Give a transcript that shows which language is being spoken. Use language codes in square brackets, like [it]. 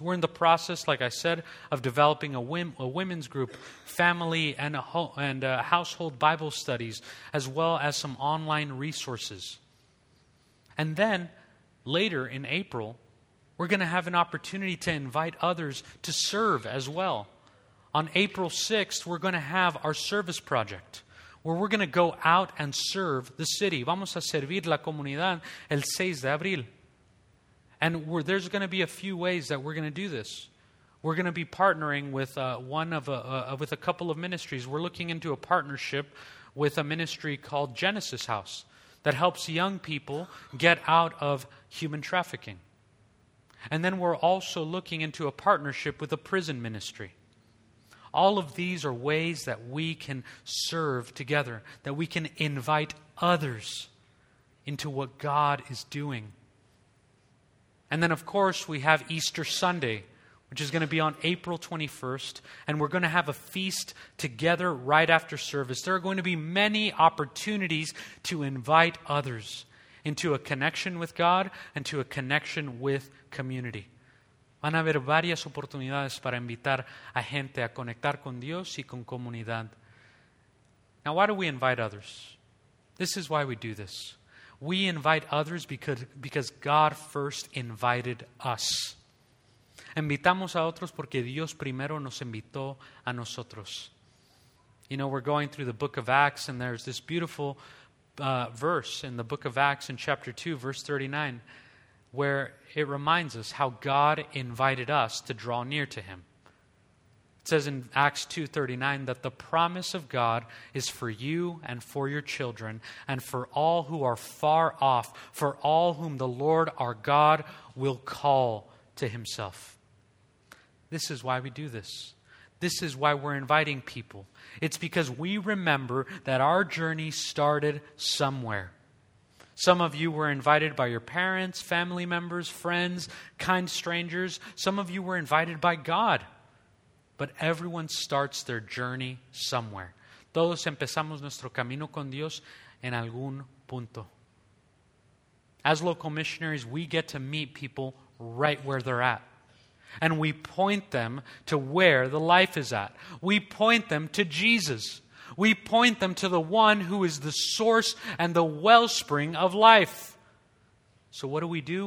[en] We're in the process, like I said, of developing a women's group, family and household Bible studies, as well as some online resources. And then, later in April, we're going to have an opportunity to invite others to serve as well. On April 6th, we're going to have our service project, where we're going to go out and serve the city. [es] Vamos a servir la comunidad el 6 de abril. [en] And there's going to be a few ways that we're going to do this. We're going to be partnering with a couple of ministries. We're looking into a partnership with a ministry called Genesis House that helps young people get out of human trafficking. And then we're also looking into a partnership with a prison ministry. All of these are ways that we can serve together, that we can invite others into what God is doing. And then, of course, we have Easter Sunday, which is going to be on April 21st, and we're going to have a feast together right after service. There are going to be many opportunities to invite others into a connection with God and to a connection with community. [es] Van a haber varias oportunidades para invitar a gente a conectar con Dios y con comunidad. [en] Now, why do we invite others? This is why we do this. We invite others because God first invited us. [es] Invitamos a otros porque Dios primero nos invitó a nosotros. [en] You know, we're going through the book of Acts, and there's this beautiful verse in the book of Acts in chapter 2, verse 39. where it reminds us how God invited us to draw near to him. It says in Acts 2:39 that the promise of God is for you and for your children and for all who are far off, for all whom the Lord our God will call to himself. This is why we do this. This is why we're inviting people. It's because we remember that our journey started somewhere. Some of you were invited by your parents, family members, friends, kind strangers. Some of you were invited by God. But everyone starts their journey somewhere. [es] Todos empezamos nuestro camino con Dios en algún punto. [en] As local missionaries, we get to meet people right where they're at. And we point them to where the life is at. We point them to Jesus. We point them to the one who is the source and the wellspring of life. So what do?